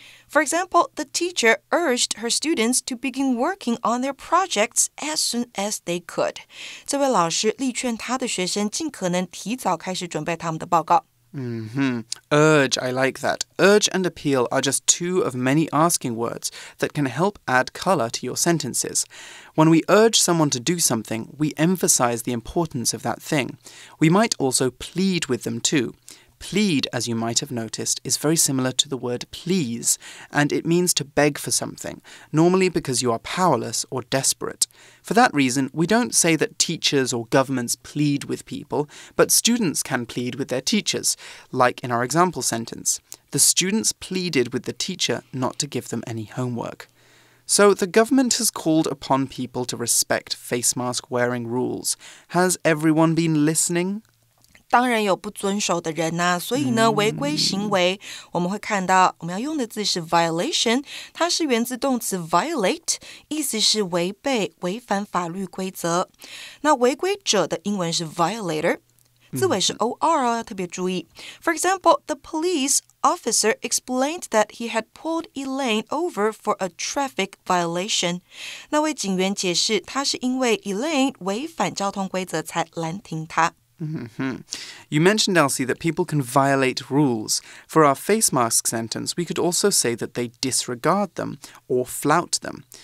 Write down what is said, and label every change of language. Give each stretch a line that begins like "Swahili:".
English: For example, the teacher urged her students to begin working on their projects as soon as they could.
Chinese: 这位老师力劝他的学生尽可能提早开始准备他们的报告。
English: Urge, I like that. Urge and appeal are just two of many asking words that can help add color to your sentences. When we urge someone to do something, we emphasize the importance of that thing. We might also plead with them too. Plead, as you might have noticed, is very similar to the word please, and it means to beg for something, normally because you are powerless or desperate. For that reason, we don't say that teachers or governments plead with people, but students can plead with their teachers, like in our example sentence. The students pleaded with the teacher not to give them any homework. So, the government has called upon people to respect face mask wearing rules. Has everyone been listening?
Chinese: 当然有不遵守的人啊，所以呢，违规行为，我们会看到，我们要用的字是 violation, 它是源自动词 violate, 意思是违背、违反法律规则。那违规者的英文是 violator, 字尾是 OR 哦，要特别注意。
English: For example, the police officer explained that he had pulled Elaine over for a traffic violation.
Chinese: 那位警员解释他是因为 Elaine 违反交通规则才拦停他。
English: Mm-hmm. You mentioned, Elsie, that people can violate rules. For our face mask sentence, we could also say that they disregard them or flout them.